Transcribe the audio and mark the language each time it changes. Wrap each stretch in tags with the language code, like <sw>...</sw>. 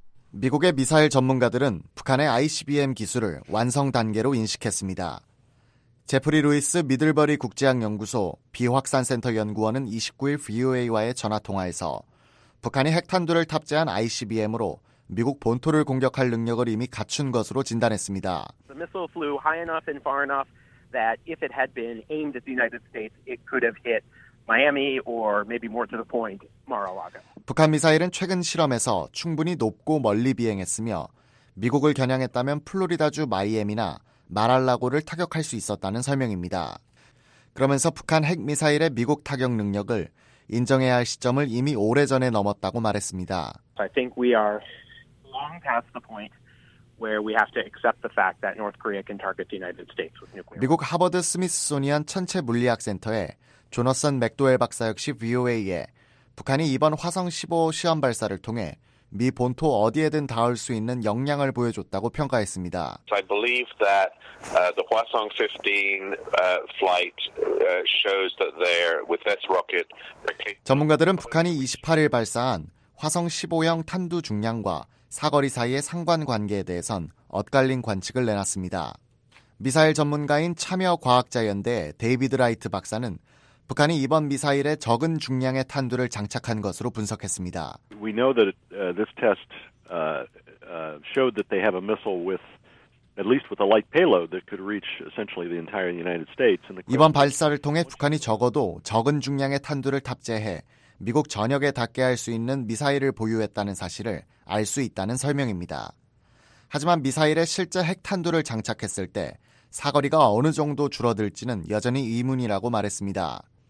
<ko>미국의 미사일 전문가들은 북한의 ICBM 기술을 완성 단계로 인식했습니다. 제프리 루이스 미들버리 국제학연구소 비확산센터 연구원은 29일 VOA와의 전화통화에서 북한이 핵탄두를 탑재한 ICBM으로 미국 본토를 공격할 능력을 이미 갖춘 것으로 진단했습니다.</ko> <en>The missile flew high enough and far enough that if it had been aimed at the United States, it could have hit Miami or maybe more to the point, Mar-a-Lago.</en> <ko>북한 미사일은 최근 실험에서 충분히 높고 멀리 비행했으며 미국을 겨냥했다면 플로리다주 마이애미나 마랄라고를 타격할 수 있었다는 설명입니다. 그러면서 북한 핵미사일의 미국 타격 능력을 인정해야 할 시점을 이미 오래전에 넘었다고 말했습니다.</ko> <en>I think we are long past the point where we have to accept the fact that North Korea can target the United States with nuclear.</en> <ko>미국 하버드 스미스소니안 천체 물리학 센터의 조너슨 맥도웰 박사 역시 VOA에 북한이 이번 화성 15 시험 발사를 통해 미 본토 어디에든 닿을 수 있는 역량을 보여줬다고 평가했습니다.</ko> <en>I believe that the Hwasong-15 flight shows that they're with this rocket.</en> <ko>전문가들은 북한이 28일 발사한 화성 15형 탄두 중량과 사거리 사이의 상관관계에 대해선 엇갈린 관측을 내놨습니다. 미사일 전문가인 참여과학자연대 데이비드 라이트 박사는 북한이 이번 미사일에 적은 중량의 탄두를 장착한 것으로 분석했습니다.</ko> <en>We know that this test showed that they have a missile with at least with a light payload that could reach essentially the entire United States.</en> <ko>이번 발사를 통해 북한이 적어도 적은 중량의 탄두를 탑재해 미국 전역에 닿게 할 수 있는 미사일을 보유했다는 사실을 알 수 있다는 설명입니다. 하지만 미사일에 실제 핵탄두를 장착했을 때 사거리가 어느 정도 줄어들지는 여전히 의문이라고 말했습니다.</ko>